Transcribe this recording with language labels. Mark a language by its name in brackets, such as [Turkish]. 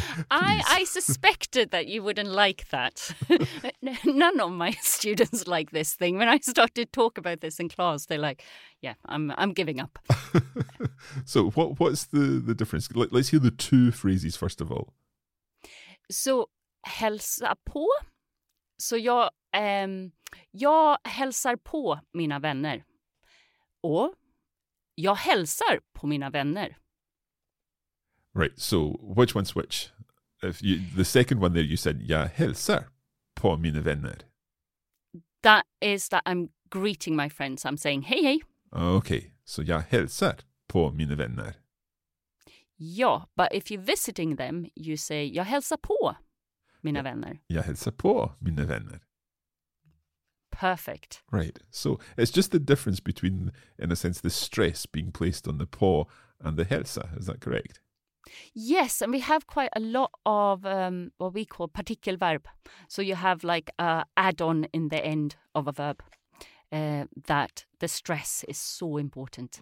[English] I suspected that you wouldn't like that. None of my students like this thing. When I started to talk about this in class, they're like, yeah, I'm giving up. So what's the difference? Let's hear the two phrases first of all. [Swedish] So hälsa på. So jag hälsar på mina vänner. Och jag hälsar på mina vänner. [English] Right, so which one's which? If you, the second one there, you said, [Swedish] jag hälsar på mina vänner. [English] That is that I'm greeting my friends. I'm saying, [Swedish] hej, hej. Okay, so jag hälsar på mina vänner. [English] Ja, but if you're visiting them, you say, [Swedish] jag hälsar på mina vänner. Jag hälsar på mina vänner. [English] Perfect. Right, so it's just the difference between, in a sense, the stress being placed on the på and the hälsa. Is that correct? Yes, and we have quite a lot of what we call partikelverb. So you have like a add-on in the end of a verb that the stress is so important.